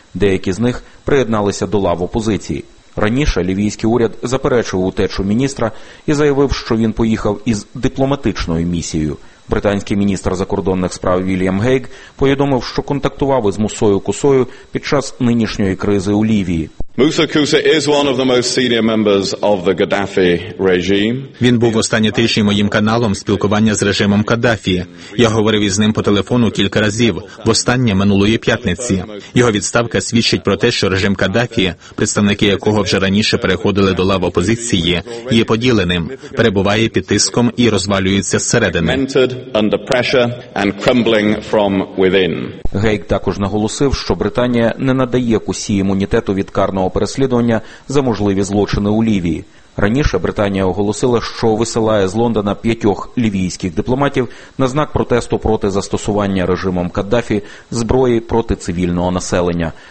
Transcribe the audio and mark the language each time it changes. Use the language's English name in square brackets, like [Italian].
[Ukrainian] Деякі з них приєдналися до лав опозиції. Раніше лівійський уряд заперечував утечу міністра і заявив, що він поїхав із дипломатичною місією. Британський міністр закордонних справ Вільям Гейг повідомив, що контактував із Мусою Кусою під час нинішньої кризи у Лівії. [English] Муса Куса is one of the most senior members of the Gaddafi regime. [Ukrainian] Він був останні тижні моїм каналом спілкування з режимом Каддафі. Я говорив із ним по телефону кілька разів, в останнє минулої п'ятниці. Його відставка свідчить про те, що режим Каддафі, представники якого вже раніше переходили до лав опозиції, є поділеним, перебуває під тиском і розвалюється зсередини. [English] Under pressure and crumbling from within. [Ukrainian] Гейк також наголосив, що Британія не надає Кусі імунітету від карного переслідування за можливі злочини у Лівії. Раніше Британія оголосила, що висилає з Лондона 5 лівійських дипломатів на знак протесту проти застосування режимом Каддафі зброї проти цивільного населення.